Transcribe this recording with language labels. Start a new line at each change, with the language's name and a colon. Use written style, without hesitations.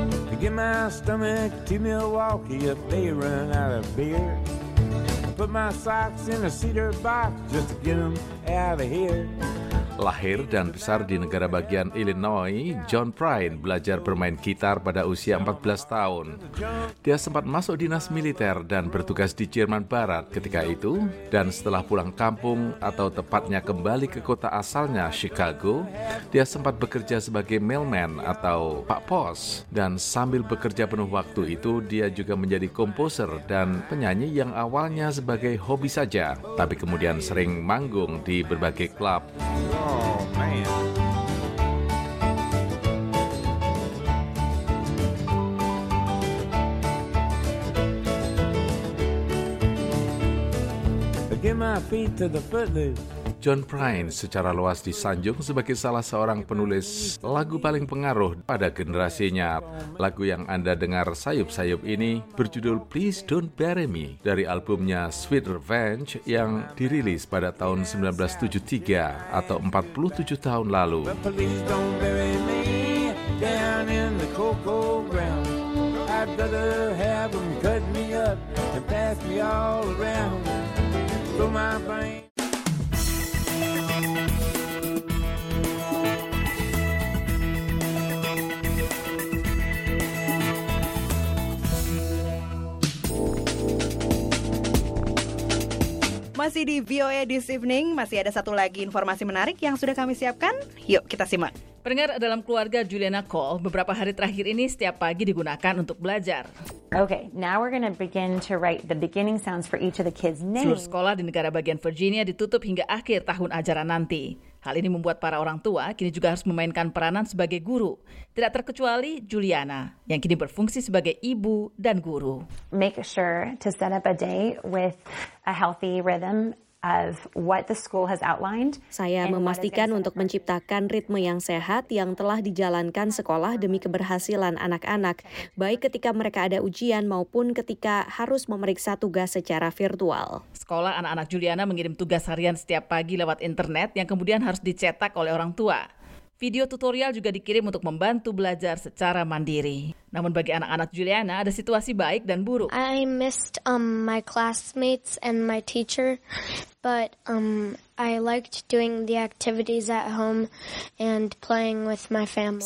English: To get my stomach to Milwaukee, if they run out of beer. Put my socks in a cedar box just to get them out of here.
Indonesian: Lahir dan besar di negara bagian Illinois, John Prine belajar bermain gitar pada usia 14 tahun. Dia sempat masuk dinas militer dan bertugas di Jerman Barat ketika itu, dan setelah pulang kampung atau tepatnya kembali ke kota asalnya, Chicago, dia sempat bekerja sebagai mailman atau pak pos. Dan sambil bekerja penuh waktu itu, dia juga menjadi komposer dan penyanyi yang awalnya sebagai hobi saja, tapi kemudian sering manggung di berbagai klub.
English: Oh, man. Get my feet to the footloose.
Indonesian: John Prine secara luas disanjung sebagai salah seorang penulis lagu paling pengaruh pada generasinya. Lagu yang Anda dengar sayup-sayup ini berjudul Please Don't Bury Me dari albumnya Sweet Revenge yang dirilis pada tahun 1973 atau 47 tahun lalu.
English: Please don't bury me down in the cocoa ground. I'd rather have them cut me up and pass me all around. Throw my brain.
Indonesian: Masih di VOA This Evening, masih ada satu lagi informasi menarik yang sudah kami siapkan. Yuk, kita simak. Pendengar dalam keluarga Juliana Cole, beberapa hari terakhir ini setiap pagi digunakan untuk belajar.
English: Okay, now we're going to begin to write the beginning sounds for each of the kids' names.
Indonesian: Seluruh sekolah di negara bagian Virginia ditutup hingga akhir tahun ajaran nanti. Hal ini membuat para orang tua kini juga harus memainkan peranan sebagai guru. Tidak terkecuali Juliana, yang kini berfungsi sebagai ibu dan guru.
English: Make sure to set up a day with a healthy rhythm of what the school has outlined.
Indonesian: Saya memastikan untuk menciptakan ritme yang sehat yang telah dijalankan sekolah demi keberhasilan anak-anak, baik ketika mereka ada ujian maupun ketika harus memeriksa tugas secara virtual. Sekolah anak-anak Juliana mengirim tugas harian setiap pagi lewat internet yang kemudian harus dicetak oleh orang tua. Video tutorial juga dikirim untuk membantu belajar secara mandiri. Namun bagi anak-anak Juliana, ada situasi baik dan buruk.
English: I missed my classmates and my teacher, but I liked doing the activities at home and playing with my family.